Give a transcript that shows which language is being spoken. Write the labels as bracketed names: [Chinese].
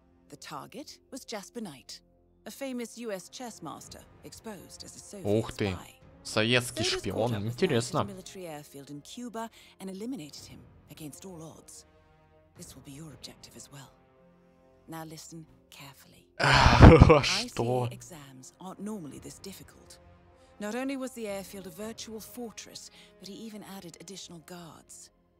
[English] The target was Jasper Knight, a famous U.S. chess master, exposed as a Soviet spy. [Russian] Ух ты, советский шпион, интересно. [English] Military airfield in Cuba and eliminated him against all odds. This will be your objective as well. Now listen carefully. [Russian] Что? [English] ICA exams aren't normally this difficult. Not only was the airfield a virtual fortress, but he even added additional guards.